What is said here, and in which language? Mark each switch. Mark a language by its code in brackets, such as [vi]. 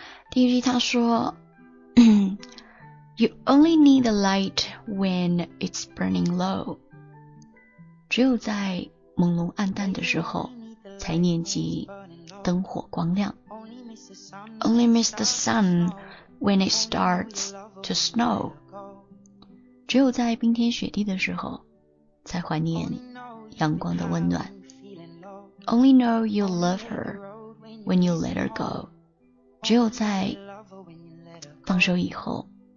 [zh] 第一句他说 [en] You only need the light when it's burning low. [zh] 只有在朦胧暗淡的时候才念及灯火光亮。 [en] Only miss the sun when it starts to snow. [zh] 只有在冰天雪地的时候才怀念阳光的温暖。 [en] Only know you love her when you let her go. [zh] 只有在放手以后